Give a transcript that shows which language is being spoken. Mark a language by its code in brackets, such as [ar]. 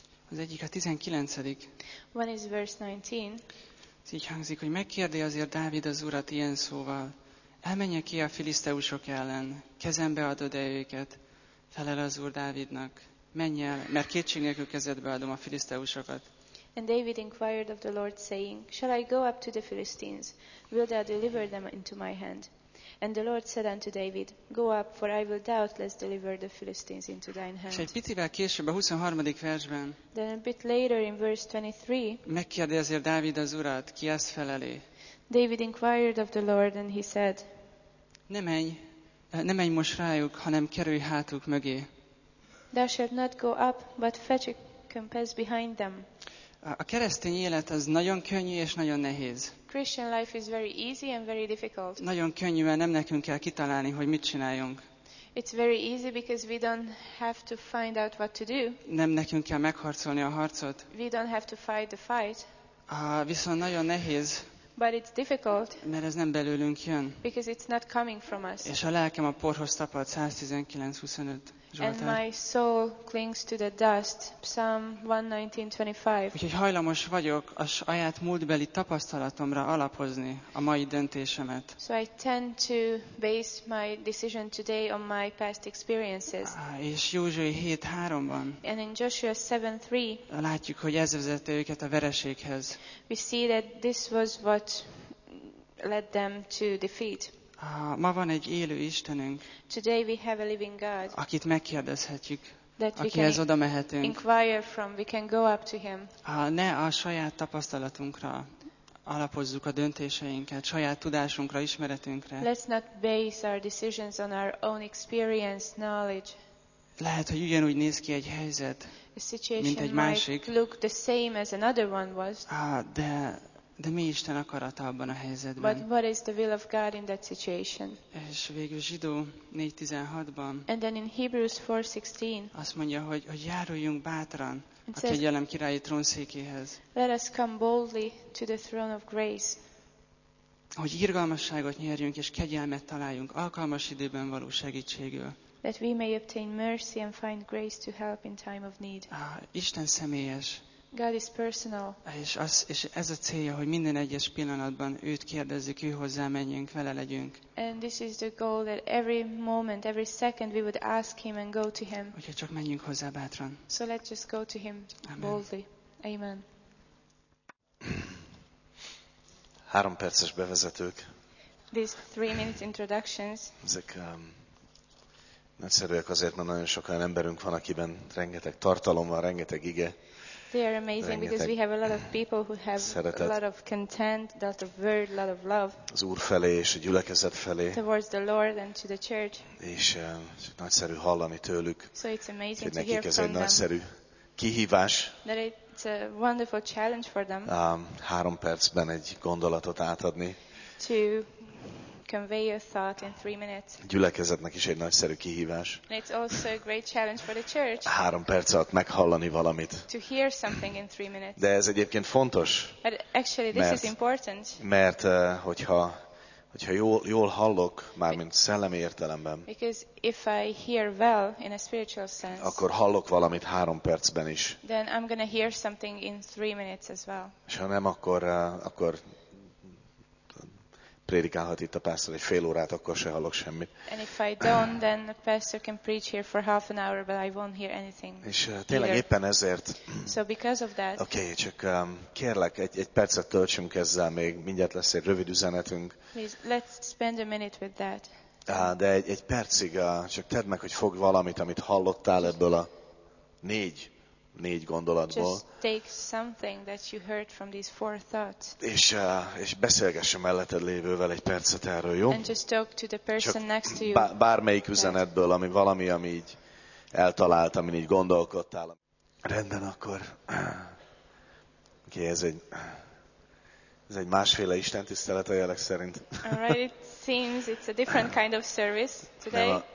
[hu] Az egyik a 19. [en] One is verse 19. [hu] Ez így hangzik, hogy megkérdi azért Dávid az Urat ilyen szóval. Elmenjek ki a filiszteusok ellen, kezembe adod-e őket? Felel az Úr Dávidnak. Menj el, mert kétség nélkül kezedbe adom a filiszteusokat. [en] And David inquired of the Lord, saying, Shall I go up to the Philistines? Will thou deliver them into my hand? And the Lord said unto David, Go up, for I will doubtless deliver the Philistines into thine hand. [hu] És egy picivel később, a 23. versben, [en] then a bit later in verse 23, [hu] megkérdezi azért Dávid az Urat, ki ezt feleli. [en] David inquired of the Lord, and he said, [hu] Ne menj most rájuk, hanem kerülj hátuk mögé. [en] Thou shalt not go up, but fetch a compass behind them. [hu] A keresztény élet az nagyon könnyű és nagyon nehéz. [en] Christian life is very easy and very difficult. [hu] Nagyon könnyű, mert nem nekünk kell kitalálni, hogy mit csináljunk. [en] It's very easy because we don't have to find out what to do. [hu] Nem nekünk kell megharcolni a harcot. [en] We don't have to fight the fight. [hu] Viszont nagyon nehéz. [en] But it's difficult. [hu] Mert ez nem belőlünk jön. [en] Because it's not coming from us. [hu] És a lelkem a porhoz tapad, 119:25. [en] And my soul clings to the dust, Psalm 119:25. [hu] Úgyhogy hajlamos vagyok a saját múltbeli tapasztalatomra alapozni a mai döntésemet. [en] So I tend to base my decision today on my past experiences. [hu] És Józsué 7:3-ban. [en] And in Joshua 7:3. [hu] Látjuk, hogy ez vezette őket a vereséghez. [en] We see that this was what led them to defeat. [hu] Ma van egy élő Istenünk, [en] today we have a living God, [hu] akit megkérdezhetjük, akihez oda mehetünk. [en] Inquire from, we can go up to him. [hu] Ne a saját tapasztalatunkra alapozzuk a döntéseinket, saját tudásunkra, ismeretünkre. [en] Let's not base our decisions on our own experience, knowledge. [hu] Lehet, hogy ugyanúgy néz ki egy helyzet, [en] a situation [hu] mint egy másik. [en] Might look the same as another one was. [hu] De De mi Isten akarata abban a helyzetben? [en] But what is the will of God in that situation? [hu] És végül Zsidó 4:16-ban. [en] And then in Hebrews 4:16. [hu] Azt mondja, hogy járuljunk bátran a kegyelem királyi trónszékéhez. [en] Let us come boldly to the throne of grace. [hu] Hogy irgalmasságot nyerjünk és kegyelmet találjunk alkalmas időben való segítségül. [en] That we may obtain mercy and find grace to help in time of need. [hu] Isten személyes. [en] God is personal. [hu] És ez a célja, hogy minden egyes pillanatban őt kérdezzük, ő hozzá menjünk, vele legyünk. [en] And this is the goal that every moment, every second we would ask him and go to him. [hu] Úgyhogy csak menjünk hozzá bátran. [en] So let's just go to him boldly. Amen. [hu] 3 perces bevezetők. [en] These 3 minute introductions. [hu] Ezek nagyszerűek azért, mert nagyon sok olyan emberünk van, akiben rengeteg tartalom van, rengeteg ige. [en] They are amazing because we have a lot of people who have [hu] szeretet, [en] a lot of content, a lot of word, a lot of love. [hu] Az Úr felé és a gyülekezet felé. [en] Towards the Lord and to the church. [hu] És nagyszerű hallani tőlük. [en] So it's amazing [hu] hogy [en] to [hu] nekik [en] hear [hu] ez egy [en] them. [hu] Nagyszerű kihívás. [en] That it's a wonderful challenge for them. [hu] 3 percben egy gondolatot átadni. [en] To convey your thought in 3 minutes. [hu] A gyülekezetnek is egy nagyszerű kihívás. [en] And it's also a great challenge for the church. [hu] 3 perc alatt meghallani valamit. [en] To hear something in 3 minutes. [hu] De ez egyébként fontos. [en] But actually this is important. [hu] Mert hogyha jól hallok, mármint szellemi értelemben. [en] Because if I hear well in a spiritual sense. [hu] Akkor hallok valamit 3 percben is. [en] Then I'm gonna hear something in 3 minutes as well. [hu] És ha nem, akkor prédikálhat itt a pásztor egy fél órát, akkor se hallok semmit. [en] And if I don't, then the pastor can preach here for half an hour, but I won't hear anything. [hu] És tényleg [en] either. [hu] Éppen ezért. [en] So because of that. [hu] Okay, csak kérlek, egy percet töltsünk ezzel még, mindjárt lesz egy rövid üzenetünk. [en] Please, let's spend a minute with that. [hu] De egy percig, csak tedd meg, hogy fogd valamit, amit hallottál ebből a négy gondolatból. [en] Just take something that you heard from these 4 thoughts. [hu] És beszélgess a melletted lévővel egy percet erről, jó? [en] And just talk to the person next to you. [hu] Bármelyik üzenetből, ami így eltalált, amin így gondolkodtál. Rendben, akkor. Okay, ez egy másféle istentisztelet a jelek szerint. [en] All right, it seems it's a different kind of service today.